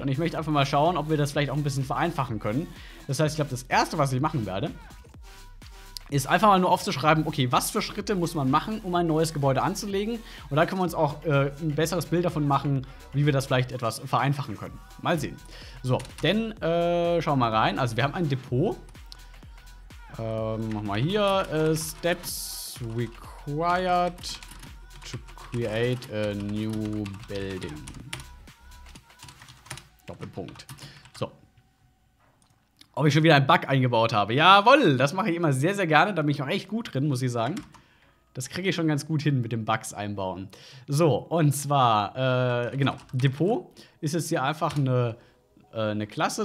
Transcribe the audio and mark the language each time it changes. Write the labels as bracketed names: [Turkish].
[German] Und ich möchte einfach mal schauen, ob wir das vielleicht auch ein bisschen vereinfachen können. Das heißt, ich glaube, das Erste, was ich machen werde, ist einfach mal nur aufzuschreiben, okay, was für Schritte muss man machen, um ein neues Gebäude anzulegen. Und da können wir uns auch ein besseres Bild davon machen, wie wir das vielleicht etwas vereinfachen können. Mal sehen. So, denn, schauen wir mal rein. Also, wir haben ein Depot. Machen wir hier. [English] Steps required to create a new building. [German] Doppelpunkt. Ob ich schon wieder einen Bug eingebaut habe. Jawohl, das mache ich immer sehr, sehr gerne. Da bin ich auch echt gut drin, muss ich sagen. Das kriege ich schon ganz gut hin mit dem Bugs einbauen. So, und zwar, genau, Depot ist jetzt hier einfach eine Klasse.